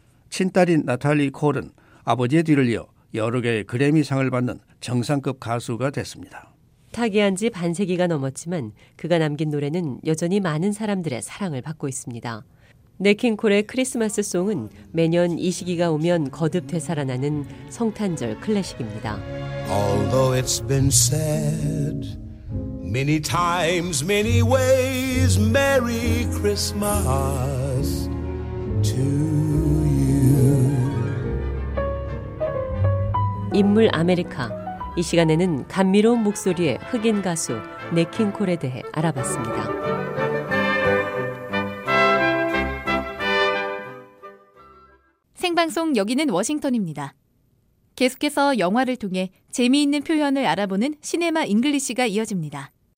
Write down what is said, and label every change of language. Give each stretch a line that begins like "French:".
Korean: 친딸인 나탈리 콜은 아버지의 뒤를 이어 여러 개의 그래미상을 받는 정상급 가수가 됐습니다. 타계한 지 반세기가 넘었지만 그가 남긴 노래는 여전히 많은 사람들의 사랑을 받고 있습니다. 네킹 콜의 크리스마스 송은 매년 이 시기가 오면 거듭 되살아나는 성탄절 클래식입니다.
English: Although it's been said many times, many ways, Merry Christmas to you.
Korean: 인물 아메리카. 이 시간에는 감미로운 목소리의 흑인 가수 네킹 콜에 대해 알아봤습니다. 생방송 여기는 워싱턴입니다. 계속해서 영화를 통해 재미있는 표현을 알아보는 시네마 잉글리시가 이어집니다.